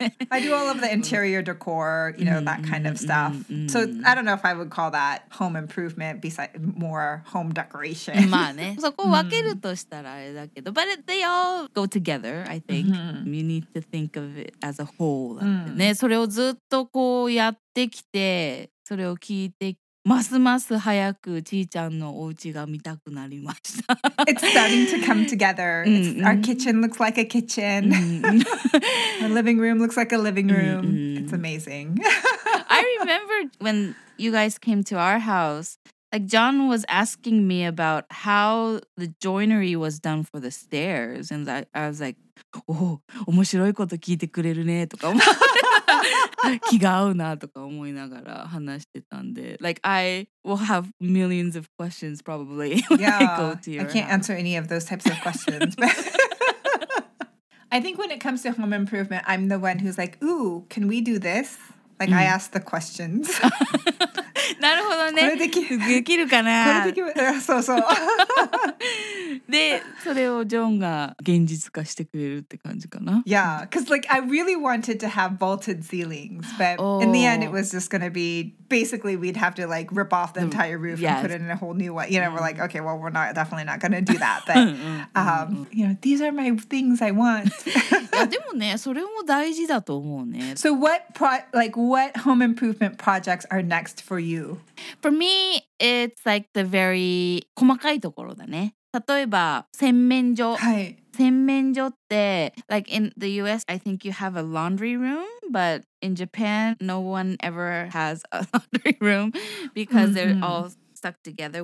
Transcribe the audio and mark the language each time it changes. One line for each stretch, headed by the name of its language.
English: I do all of the interior decor, you know, that kind of stuff. So I don't know if I would call that home improvement, besides more home decoration.
Japanese: まあね、そこ分けるとしたらあれだけど、
English: but they all go together, I think. You need to think of it as a whole.
Japanese: ね、それをずっとこうやってきて、それを聞いてきて、ますます早くちーちゃんのお家が見たくなりました。
English: It's starting to come together. Our kitchen looks like a kitchen. Our living room looks like a living room. It's amazing. I remember when you guys came to our house, like John was asking me about how the joinery was done for the stairs. And I was like, oh,
Japanese: 面白いこと聞いてくれるねとか思って。気が合うなとか思いながら話してたんで、
English: like I will have millions of questions probably when I go to your I can't answer any of those types of questions. I think when it comes to home improvement, I'm the one who's like, ooh, can we do this? Like I ask the questions.
Japanese: なるほどね。これできるかな。これできる。そうそう。で、それをジョンが現実化してくれるって感じかな。
English: Yeah, because like I really wanted to have vaulted ceilings, but in the end it was just gonna be basically we'd have to like rip off the entire roof and put it in a whole new one. You know, we're like, okay, well we're not definitely not gonna do that, but you know, these are my things I want.
Japanese: いやでもね、それも大事だと思うね。
English: So what what home improvement projects are next for you? For me, it's like the very
Japanese: 細かいところだね。例えば洗面所、はい、
English: 洗面所って like in the US I think you have a laundry room, but in Japan no one ever has a laundry room because they're all stuck together.